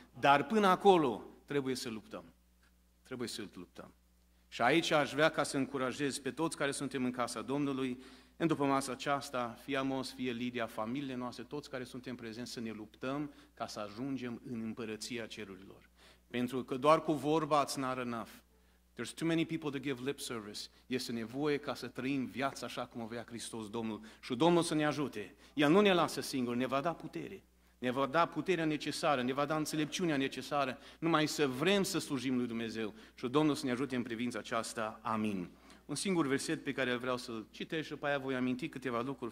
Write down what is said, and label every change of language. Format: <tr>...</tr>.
<ro>Dar până acolo trebuie să luptăm. Trebuie să luptăm. Și aici aș vrea ca să încurajez pe toți care suntem în casa Domnului, în după masa aceasta, fie Amos, fie Lidia, familiile noastre, toți care suntem prezenți să ne luptăm ca să ajungem în împărăția cerurilor. Pentru că doar cu vorba</ro> <en>it's not enough. There's too many people to give lip service.</en> <ro>Este nevoie ca să trăim viața așa cum o vrea Hristos Domnul. Și Domnul să ne ajute. El nu ne lasă singuri, ne va da putere. Ne va da puterea necesară, ne va da înțelepciunea necesară, numai să vrem să slujim lui Dumnezeu. Și Domnul să ne ajute în privința aceasta. Amin. Un singur verset pe care vreau să-l citesc și după aia voi aminti câteva lucruri.</ro>